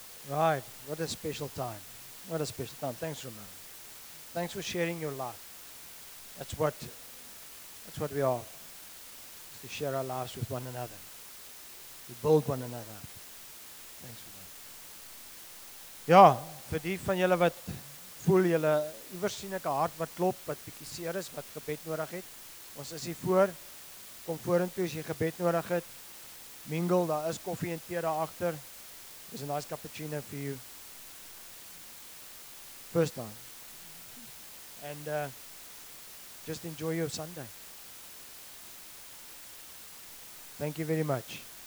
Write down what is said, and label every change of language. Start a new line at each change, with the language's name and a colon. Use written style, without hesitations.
English: Right, what a special time. What a special time. Thanks, Ramon. Thanks for sharing your life. That's what we are, is to share our lives with one another. We build one another. Thanks for that.
Afrikaans: Ja, vir die van julle wat voel julle iewers sien ek 'n hart wat klop, wat bietjie seer is, wat gebed nodig het. Ons is hier voor. Kom vorentoe as jy gebed nodig het. Mingle, daar is koffie en tee daar agter.
English: There's a nice cappuccino for you. First time. And just enjoy your Sunday. Thank you very much.